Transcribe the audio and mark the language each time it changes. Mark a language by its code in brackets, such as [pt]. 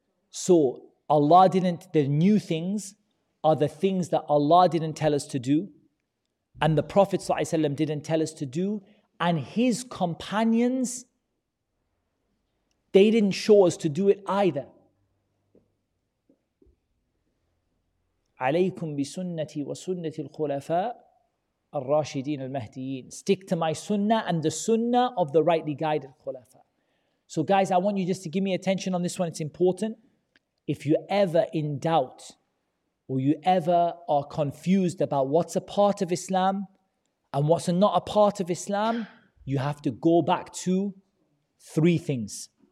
[en] So Allah didn't, the new things are the things that Allah didn't tell us to do, and the Prophet ﷺ didn't tell us to do, and his companions, they didn't show us to do it either. [ar] عليكم بسنتي وسنة الخلفاء الراشدين المهديين. [en] Stick to my sunnah and the sunnah of the rightly guided khulafa. So guys, I want you just to give me attention on this one. It's important. If you ever in doubt or you ever are confused about what's a part of Islam and what's not a part of Islam, you have to go back to three things.